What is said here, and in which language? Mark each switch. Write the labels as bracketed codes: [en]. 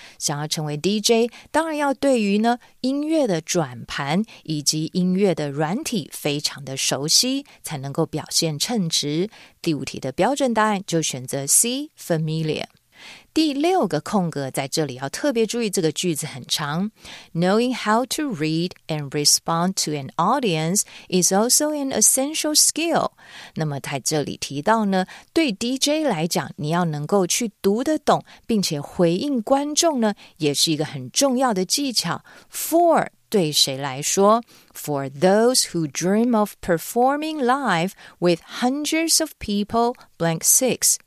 [zh] 想要成为 DJ， 当然要对于呢音乐的转盘以及音乐的软体非常的熟悉，才能够表现称职。第五题的标准答案就选择 C familiar。第六个空格在这里要特别注意，这个句子很长。 [en] Knowing how to read and respond to an audience is also an essential skill. [zh] 那么在这里提到呢，对 DJ 来讲，你要能够去读得懂并且回应观众呢，也是一个很重要的技巧。 For 对谁来说？ [en] For those who dream of performing live with hundreds of people, blank six.